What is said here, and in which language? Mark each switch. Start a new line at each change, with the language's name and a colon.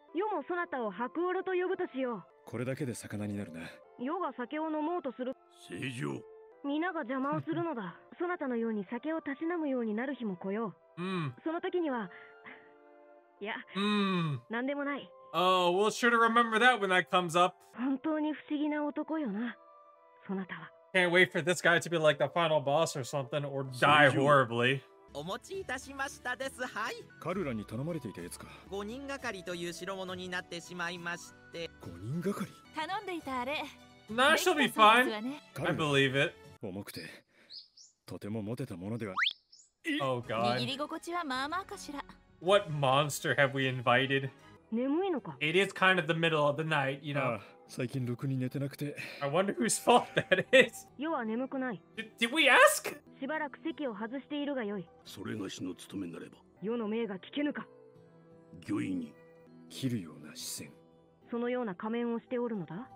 Japanese: よもそなたを白オロと呼ぶとしよう。これだけで魚になるな。よが酒を飲もうとする。正常。みんなが邪魔をするのだ。そなたのように酒をたしなむようになる日も来よう。うん。その時には、いや、なんでもない。
English: Oh, we'll sure to remember that when that comes up.
Japanese: 本当に不思議な男よな、そなたは。
English: Can't wait for this guy to be like the final boss or something, or die horribly.
Japanese: お持ちいたしましたです、はい。カルラに頼まれていたやつか。五人がかりという代物になってしまいまして。五人がかり？頼んでいたあれ。
English: Nah, she'll be fine. I believe it.
Japanese: 重くて、とても持てたものでは。
English: Oh God.
Japanese: 握り心地はまあまあかしら。
English: What monster have we invited? It is kind of the middle of the night, you know.
Japanese: 最近ろくに寝てなくて。
English: I wonder whose fault that is.
Japanese: 夜は眠くない。
English: Did we ask?
Japanese: しばらく席を外しているがよい。それがしの務めなれば。夜の命が聞けぬか。御意に切るような視線。そのような仮面をしておるのだ。